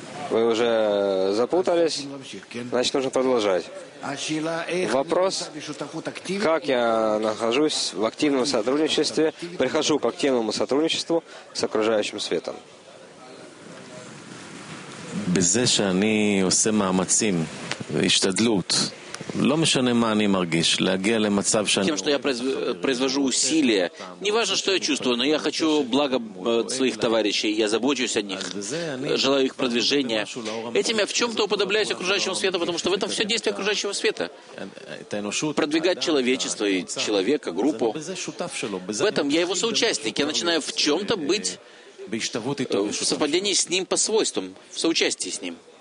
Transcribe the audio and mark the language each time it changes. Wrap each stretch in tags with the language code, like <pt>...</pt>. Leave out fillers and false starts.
<ru>Вы уже запутались? Значит, нужно продолжать. Вопрос, как я нахожусь в активном сотрудничестве, прихожу к активному сотрудничеству с окружающим светом?</ru> <he>בזה שאני עושה מאמצים והשתדלות לא משנה מה אני מרגיש, להגיע למצב שאני...</he> <ru>тем, что я произвожу усилия, не важно, что я чувствую, но я хочу благо своих товарищей, я забочусь о них, желаю их продвижения. Этим я в чем-то уподобляюсь окружающему свету, потому что в этом все действие окружающего света. Продвигать человечество и человека, группу. В этом я его соучастник, я начинаю в чем-то быть в совпадении с ним по свойствам, в соучастии с ним.</ru>